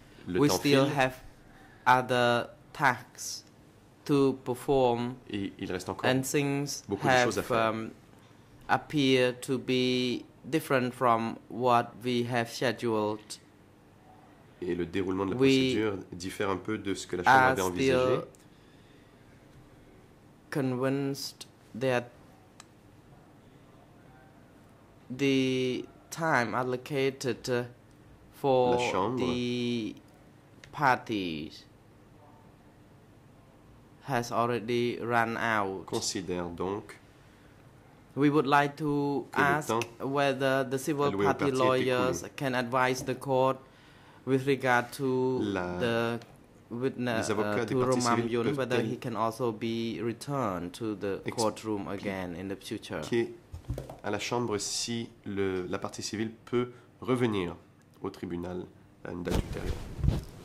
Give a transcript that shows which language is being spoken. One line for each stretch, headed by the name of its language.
English: We still have other tasks to perform, and things have appear to be different from what we have scheduled.
French: Et le déroulement de la procédure diffère un peu de ce que la Chambre avait envisagé.
English: Are convinced that the time allocated for the parties has already run out.
French: Considère donc.
English: We would like to ask whether the civil party lawyers can advise the court with regard to the witness, to Romam Yun, whether he can also be returned to the courtroom again in the future.
French: À la Chambre si le, la partie civile peut revenir au tribunal à une date ultérieure.